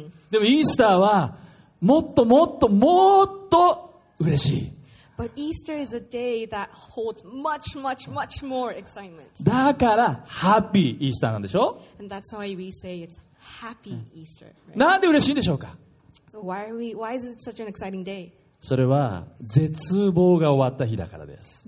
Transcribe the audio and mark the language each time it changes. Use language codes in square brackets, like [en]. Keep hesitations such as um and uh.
[ja] でも、イースターはもっともっともっと嬉しい。 [en] But Easter is a day that holds much, much, much more excitement. [ja] だから、 [en] Happy Easter [ja] なんでしょ [en] And that's why we say it's Happy Easter.、 Right? [ja] なんで嬉しいんでしょうか、 [en] so、why are we, why is it such an exciting day? [ja] それは絶望が終わった日だからです。